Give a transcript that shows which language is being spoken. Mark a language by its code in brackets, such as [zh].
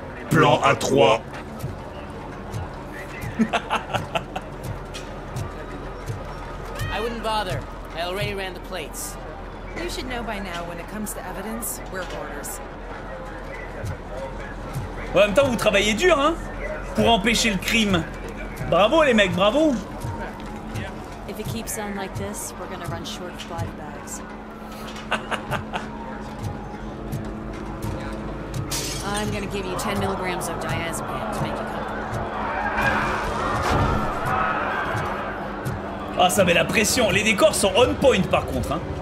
[fr] Plan à trois. [en] I wouldn't bother. I already ran the plates. You should know by now, when it comes to evidence, we're hoarders. [fr] En même temps, vous travaillez dur, hein, pour empêcher le crime. Bravo, les mecs, bravo. [en] If it keeps on like this, we're gonna run short of body bags. I'm gonna give you 10 milligrams of diazepam to make you comfortable. [fr] Ah, ça met la pression. Les décors sont [en] on point, [fr] par contre, hein.